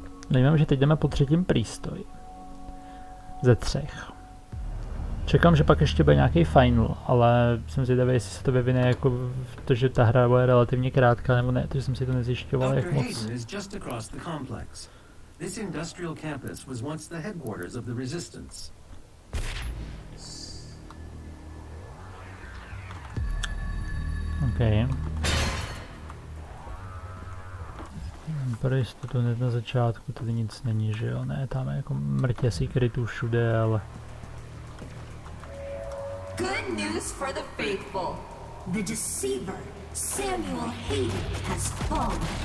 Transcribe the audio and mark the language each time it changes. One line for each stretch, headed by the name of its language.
Czech: Nevím, že teď jdeme po 3. prístoji. Ze 3. Čekám, že pak ještě bude nějaký final, ale jsem zvědavý, jestli se to vyvine jako to, že ta hra bude relativně krátká nebo ne, protože jsem si to nezjišťoval, jak moc.
English: Dr. Hayden is just across the complex. This industrial campus was once the headquarters of the resistance. Okay.
Czech: Pro jistotu hned na začátku tady nic není, že jo? Ne, tam je jako mrtě secretů všude, ale...
English: Good news for the faithful. The deceiver Samuel Hayden has fallen.